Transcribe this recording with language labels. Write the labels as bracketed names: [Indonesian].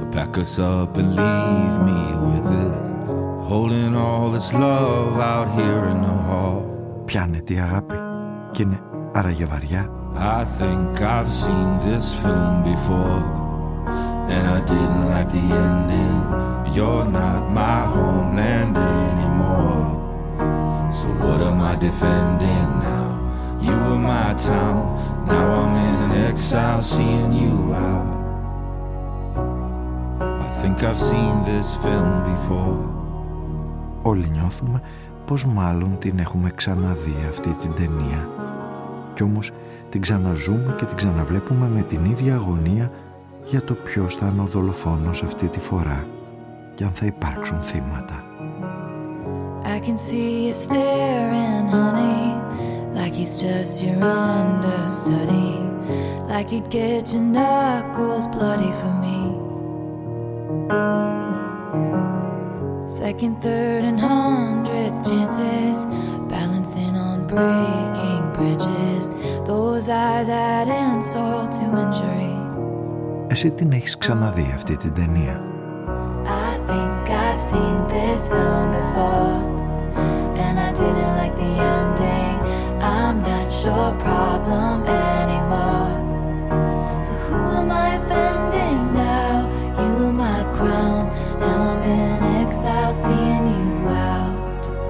[English] lock us up and leave me with it. Holding all this love out here in the hall. [Greek] Πιάνε τη αγάπη και είναι άραγε βαριά. [English] I think I've seen this film before, and I didn't like the ending. You're not my homeland anymore, so what am I defending now? You were my town, now I'm in exile seeing you out. I think I've seen this film before. [Greek] Όλοι νιώθουμε πως μάλλον την έχουμε ξαναδεί αυτή την ταινία. Κι όμως την ξαναζούμε και την ξαναβλέπουμε με την ίδια αγωνία για το ποιος θα είναι ο δολοφόνος αυτή τη φορά και αν θα υπάρξουν θύματα. [English] I can see you staring, honey, like he's just your understudy, like he'd get your knuckles bloody for me. Second, third, and hundredth chances, balancing on breaking branches, those eyes add insult to injury. [Greek] Εσύ την έχεις ξαναδεί αυτή την ταινία. [English] I think I've seen this film before, and I didn't like the ending. I'm not your problem anymore, so who am I offending now? You are my crown, now I'm in exile seeing you out.